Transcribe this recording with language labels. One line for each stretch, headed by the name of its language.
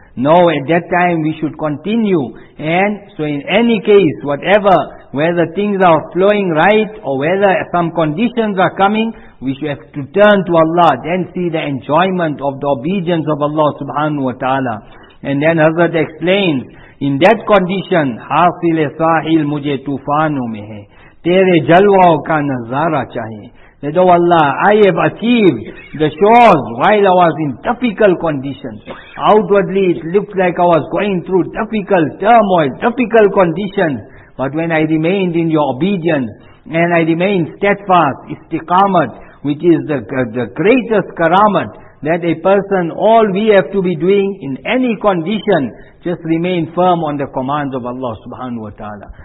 English: No, at that time we should continue. And so in any case, whatever, whether things are flowing right or whether some conditions are coming, we should have to turn to Allah, then see the enjoyment of the obedience of Allah subhanahu wa ta'ala. And then Hazrat explains, In that condition,
Urdu: حاصل ساحل مجھے طوفانوں میں ہے, تیرے جلواؤں کا نظارہ چاہیے.
English: Lord Allah, I have achieved the shores while I was in difficult conditions. Outwardly, it looked like I was going through difficult turmoil, difficult conditions. But when I remained in your obedience, and I remained steadfast, istiqamat, which is the greatest karamat that a person, all we have to be doing in any condition, just remain firm on the commands of Allah subhanahu wa ta'ala.